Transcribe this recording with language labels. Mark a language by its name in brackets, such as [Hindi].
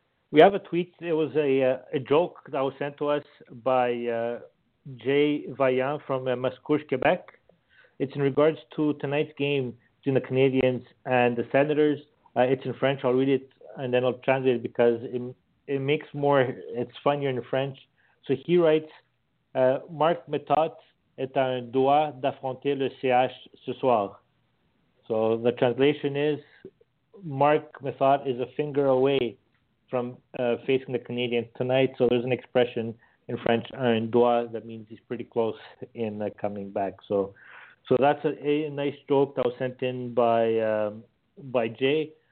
[English] We have a tweet. It was a joke that was sent to us by Jay Vaillant from Mascouche, Quebec. It's in regards to tonight's game between the Canadiens and the Senators. It's in French. I'll read it and then I'll translate it because it makes more, it's funnier in French. So he writes, [French] Marc Methot est en droit d'affronter le CH ce soir. [English] So the translation is, Marc Methot is a finger away from facing the Canadiens tonight. So there's an expression in French, en droit, that means he's pretty close in coming back. So that's a nice joke that was sent in by Jay.